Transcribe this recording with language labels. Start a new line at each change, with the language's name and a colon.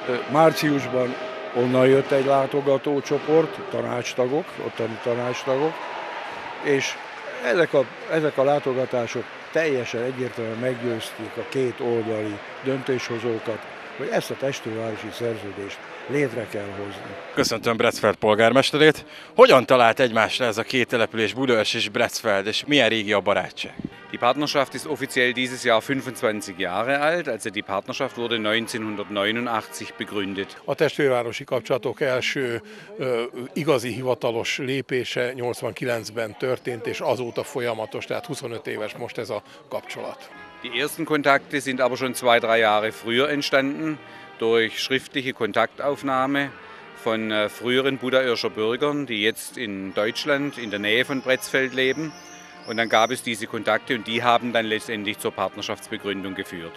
Hungarian: Márciusban onnan jött egy látogatócsoport, tanácstagok, ottani tanácstagok, és ezek a látogatások teljesen egyértelműen meggyőzték a két oldali döntéshozókat, hogy ezt a testvérvárosi szerződést létre kell hozni. Köszöntöm Breszfeld polgármesterét. Hogyan talált egymásra ez a két település, Budaörs és Breszfeld, és milyen régi a barátság?
German: Die Partnerschaft ist offiziell dieses Jahr 25 Jahre alt, also die Partnerschaft wurde 1989 begründet.
Hungarian: A testvérvárosi kapcsolatok első igazi hivatalos lépése 89-ben történt, és azóta folyamatos, tehát 25 éves most ez a kapcsolat.
German: Die ersten Kontakte sind aber schon 2-3 Jahre früher entstanden, durch schriftliche Kontaktaufnahme von früheren Budaörscher Bürgern, die jetzt in Deutschland in der Nähe von Breszfeld leben. Und dann gab es diese Kontakte und die haben dann letztendlich zur Partnerschaftsbegründung geführt.